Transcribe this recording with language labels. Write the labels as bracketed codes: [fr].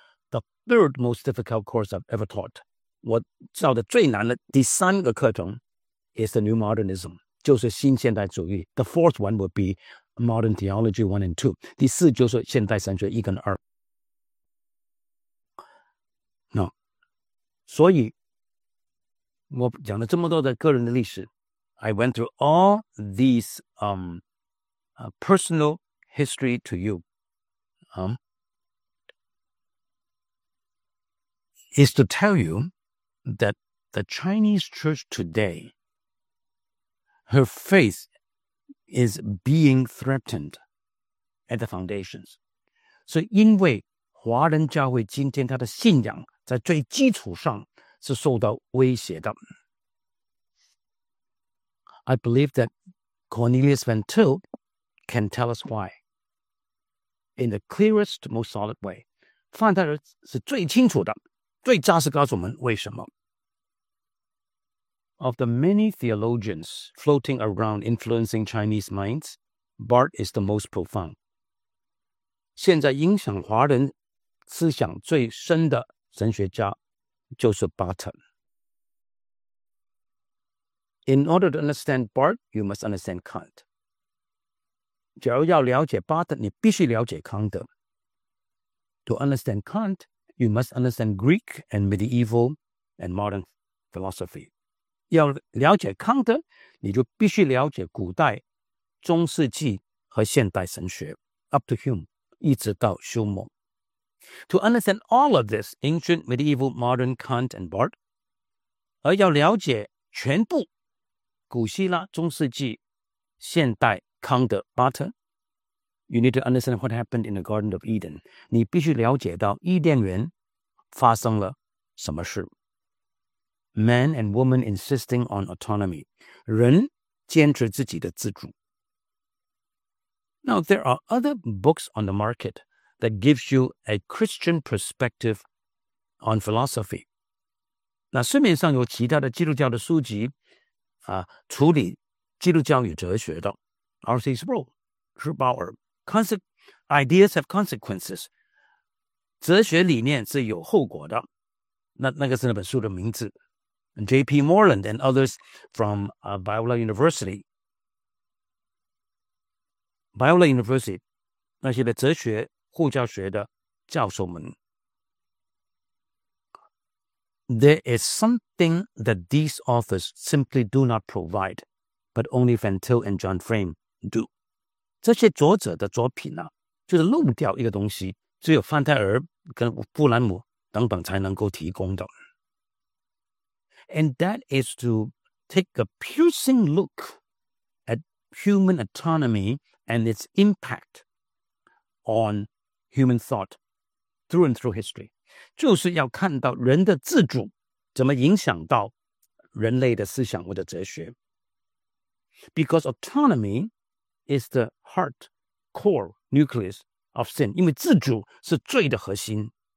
[en] The third most difficult course I've ever taught, [zh] 我教的最难的第三个课程 [en] is the New Modernism, [zh] 就是新现代主义。 [en] The fourth one would beModern Theology 1 and 2. [zh] 第四就是现代神学1跟2。 [en] No. [zh] 所以我讲了这么多的个人的历史。 [en] I went through all these personal history to you. Is to tell you that the Chinese church today, her faithis being threatened at the foundations. [zh] 所以因为华人教会今天他的信仰在最基础上是受到威胁的。 [en] I believe that Cornelius Van Til can tell us why. In the clearest, most solid way. [zh] 范泰尔是最清楚的,最扎实告诉我们为什么。 [en] Of the many theologians floating around influencing Chinese minds, Bart is the most profound. [zh] 现在影响华人思想最深的神学家就是 Bart. [en] In order to understand Bart, you must understand Kant. [zh] 假如要了解 Bart, 你必须了解康德。 [en] To understand Kant, you must understand Greek and medieval and modern philosophy. [zh] 要了解康德，你就必须了解古代、中世纪和现代神学 ， [en] up to Hume， [zh] 一直到休谟。 [en] To understand all of this, ancient, medieval, modern, Kant and Bart， [zh] 而要了解全部古希腊、中世纪、现代康德 ，Bart， [en] you need to understand what happened in the Garden of Eden。 [zh] 你必须了解到伊甸园发生了什么事。 [en] Man and woman insisting on autonomy. [zh] 人坚持自己的自主。 [en] Now, there are other books on the market that gives you a Christian perspective on philosophy. [zh] 那市面上有其他的基督教的书籍啊，处理基督教与哲学的。 [en] R.C. Sproul, Schopenhauer. Ideas have consequences. [zh] 哲学理念是有后果的。那个是那本书的名字。 [en] J.P. Moreland and others from Biola University. [zh] Biola University, 那些的哲学、护教学的教授们。 [en] There is something that these authors simply do not provide, but only Van Til and John Frame do. [zh] 这些作者的作品啊，就是漏掉一个东西，只有范泰尔跟富兰姆等等才能够提供的。 [en] And that is to take a piercing look at human autonomy and its impact on human thought through and through history. [zh] 就是要看到人的自主怎么影响到人类的思想或者哲学。 [en] Because autonomy is the heart, core, nucleus of sin. [zh] 因为自主是罪的核心。